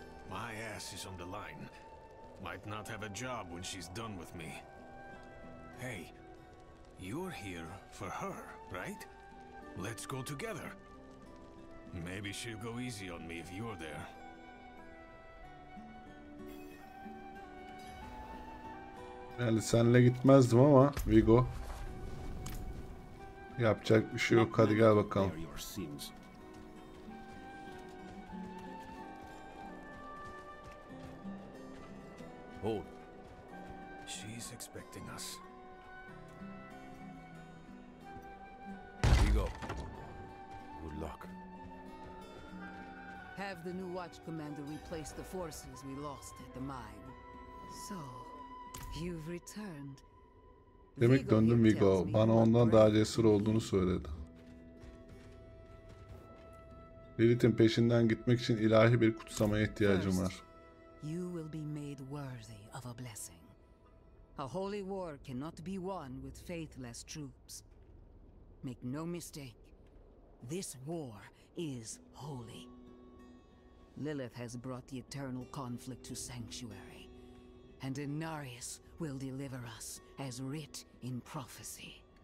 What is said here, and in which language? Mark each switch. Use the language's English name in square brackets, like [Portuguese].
[English] My ass is on the line. Might not have a job when she's done with me. Hey, you're here for her, right? Let's go together. Maybe she'll go easy on me if you're there. [Turkish] Yani senle gitmezdim ama Viggo. Yapacak bir şey yok. Hadi gel bakalım. [English] Hold. She's expecting us. Viggo. Good luck. Have the new watch commander replace the forces we lost at the mine. So, you've returned. [Turkish] Demek döndüm Viggo. Bana ondan daha cesur olduğunu söyledi. Lilith'in peşinden gitmek için ilahi bir kutsamaya ihtiyacım var. [English] you will be made worthy of a blessing. A holy war cannot be won with faithless troops. Make no mistake, this war is holy. Lilith has brought the eternal conflict to Sanctuary, and Inarius will deliver us as writ in prophecy.